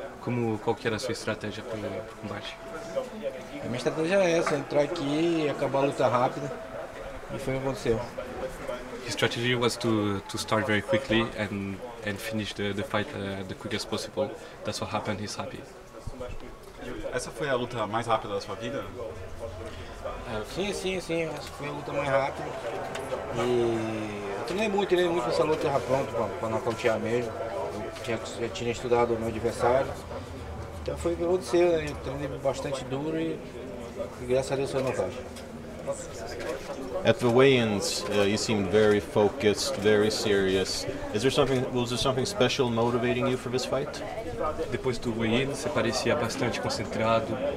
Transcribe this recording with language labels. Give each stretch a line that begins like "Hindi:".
Portuguese: Como qual que era a sua estratégia para o combate? A minha estratégia é essa, entrar aqui e acabar a luta rápida. E foi o que aconteceu.
English: His strategy was to start very quickly and finish the fight the quickest possible. That's what happened. He's happy.
Portuguese: Essa foi a luta mais rápida da sua vida? Sim, essa foi a luta mais rápida. E eu treinei muito essa luta já pronto para nocautear mesmo. Eu já tinha estudado o meu adversário. Então foi o que aconteceu, né? Eu treinei bastante duro e graças a Deus foi nocaute.
English: At the weigh-ins, you seemed very focused, very serious. Was there something special motivating you for this fight?
Portuguese: Depois do weigh-in, você parecia bastante concentrado.